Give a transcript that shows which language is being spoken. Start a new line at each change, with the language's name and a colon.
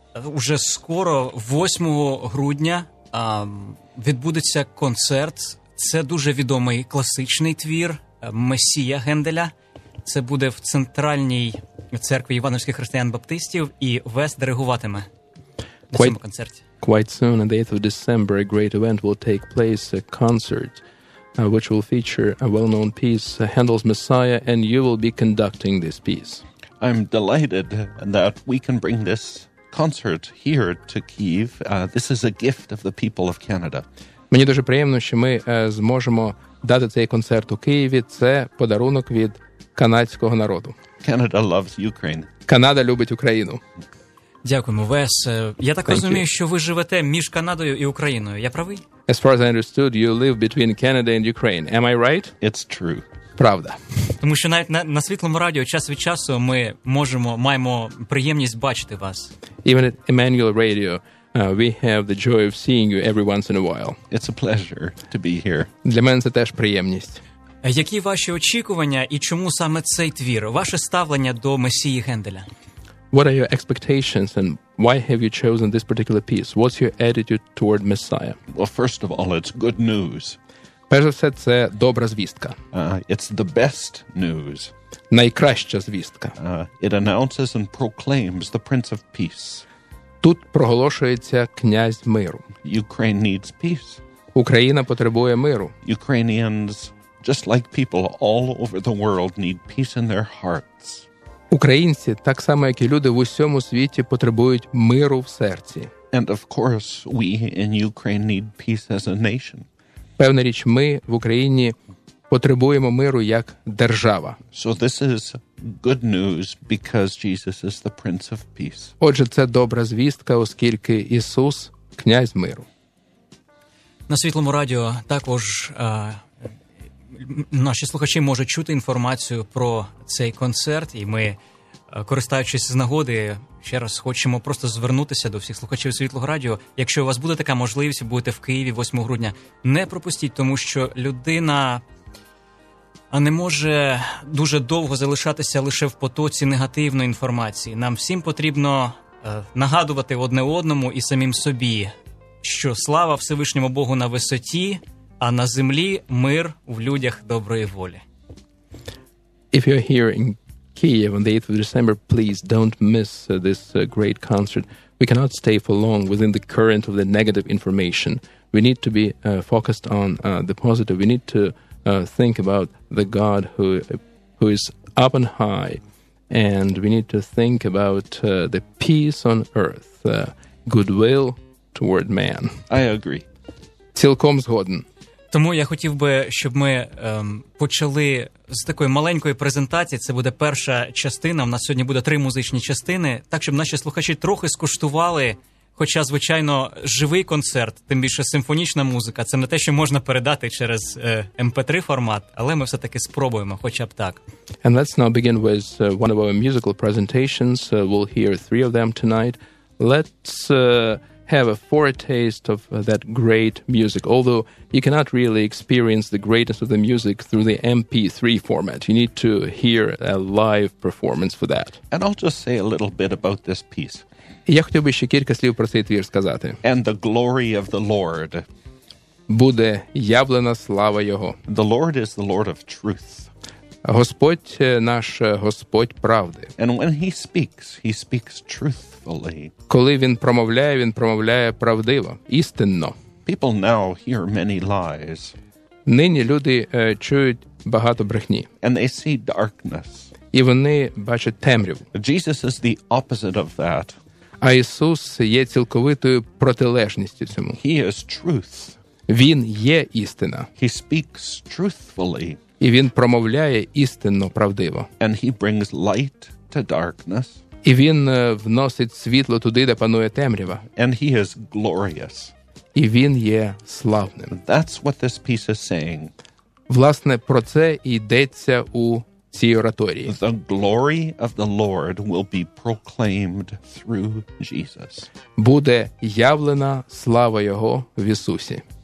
Ukrainian: Уже скоро, 8 грудня, відбудеться концерт. Це дуже відомий класичний твір Месія Генделя. Це буде в Центральній церкві Івановських християн-баптистів, і Вес диригуватиме на цьому концерті.
English: Quite soon, on the 8th of December, a great event will take place, a concert, which will feature a well-known piece, Handel's Messiah, and you will be conducting this piece. I'm delighted that we can bring this concert here to Kyiv. This is a gift of the people of Canada.
Ukrainian: Мені дуже приємно, що ми зможемо дати цей концерт у Києві. Це подарунок від канадського народу.
English: Canada loves Ukraine.
Ukrainian: Канада любить Україну. Дякуємо, Вес. Я так розумію, що ви живете між Канадою і Україною. Я правий?
English: As far as I understood, you live between Canada and Ukraine. Am I right? It's true.
Ukrainian: Правда. Тому що навіть на Світлому радіо час від часу ми маємо приємність бачити вас.
English: Even at Emmanuel Radio, we have the joy of seeing you every once in a while. It's a pleasure to be here.
Ukrainian: Для мене це теж приємність. Які ваші очікування і чому саме цей твір? Ваше ставлення до Месії Генделя?
English: What are your expectations and why have you chosen this particular piece? What's your attitude toward Messiah? Well, first of all, it's good news.
Ukrainian: Перш за все, це добра звістка.
English: It's the best news.
Ukrainian: Найкраща звістка.
English: It announces and proclaims the Prince of Peace.
Ukrainian: Тут проголошується князь миру.
English: Ukraine needs peace.
Ukrainian: Україна потребує миру.
English: Ukrainians, just like people all over the world, need peace in their hearts.
Ukrainian: Українці, так само, як і люди в усьому світі, потребують миру в серці.
English: And of course, we in Ukraine need peace as a nation.
Ukrainian: Певна річ, ми в Україні потребуємо миру як держава.
English: So this is good news because Jesus is the Prince of Peace.
Ukrainian: Отже, це добра звістка, оскільки Ісус – князь миру. На Світлому радіо також наші слухачі можуть чути інформацію про цей концерт, і ми, користуючись з нагоди, ще раз хочемо просто звернутися до всіх слухачів Світлого радіо. Якщо у вас буде така можливість, будете в Києві 8 грудня, не пропустіть, тому що людина не може дуже довго залишатися лише в потоці негативної інформації. Нам всім потрібно нагадувати одне одному і самим собі, що слава Всевишньому Богу на висоті, а на землі мир в людях доброї волі.
English: If you're here in Kyiv on the 8th of December, please don't miss this great concert. We cannot stay for long within the current of the negative information. We need to be focused on the positive. We need to think about the God who is up on high. And we need to think about the peace on earth, goodwill toward man. I agree.
Ukrainian: Цілком згоден. Тому я хотів би, щоб ми почали з такої маленької презентації. Це буде перша частина. У нас сьогодні буде 3 музичні частини. Так, щоб наші слухачі трохи скуштували, хоча, звичайно, живий концерт, тим більше симфонічна музика, це не те, що можна передати через MP3 формат, але ми все-таки спробуємо, хоча б так.
English: And let's now begin with one of our musical presentations. We'll hear 3 of them tonight. Let's have a foretaste of that great music. Although you cannot really experience the greatness of the music through the MP3 format. You need to hear a live performance for that. And I'll just say a little bit about this piece.
Ukrainian: Я хотів би ще кілька слів про цей твір сказати.
English: And the glory of the Lord.
Ukrainian: Буде явлена слава Його.
English: The Lord is the Lord of truth.
Ukrainian: Господь наш Господь правди.
English: And when he speaks truthfully.
Ukrainian: Коли він промовляє правдиво, істинно.
English: People now hear many lies.
Ukrainian: Нині люди чують багато брехні.
English: And they see darkness.
Ukrainian: І вони бачать темряву.
English: Jesus is the opposite of that.
Ukrainian: А Ісус є цілковитою протилежністю цьому.
English: He is truth.
Ukrainian: Він є істина.
English: He speaks truthfully.
Ukrainian: І він промовляє істинно, правдиво.
English: And he brings light to darkness.
Ukrainian: І він вносить світло туди, де панує темрява.
English: And he is glorious.
Ukrainian: І він є славним.
English: That's what this piece is saying.
Ukrainian: Власне, про це і йдеться у цій ораторії.
English: The glory of the Lord will be proclaimed through Jesus.
Ukrainian: Буде явлена слава Його в Ісусі.